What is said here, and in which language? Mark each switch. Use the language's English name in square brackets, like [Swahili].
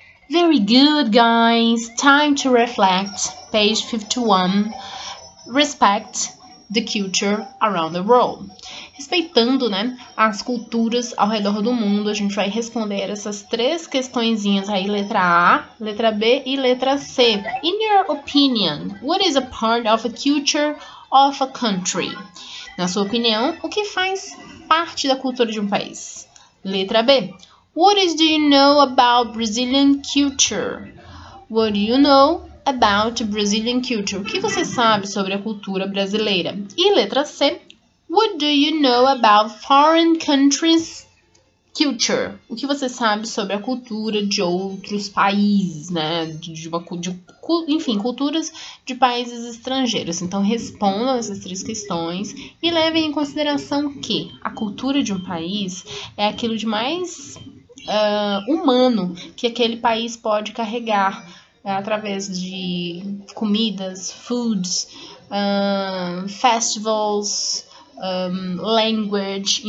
[English] Very good, guys. Time to reflect. Page 51. Respect the culture around the world. [Portuguese] Respeitando, né, as culturas ao redor do mundo, a gente vai responder essas três questõezinhas aí, letra A, letra B e letra C. [English] In your opinion, what is a part of a culture of a country? [Portuguese] Na sua opinião, o que faz parte da cultura de um país? Letra B. [English] What do you know about Brazilian culture? What do you know about Brazilian culture? [Portuguese] O que você sabe sobre a cultura brasileira? E letra C. [English] What do you know about foreign countries' culture? [Portuguese] O que você sabe sobre a cultura de outros países, né? Enfim, culturas de países estrangeiros. Então, respondam essas três questões e levem em consideração que a cultura de um país é aquilo de mais humano que aquele país pode carregar, né, através de comidas, [English] foods, festivals, language.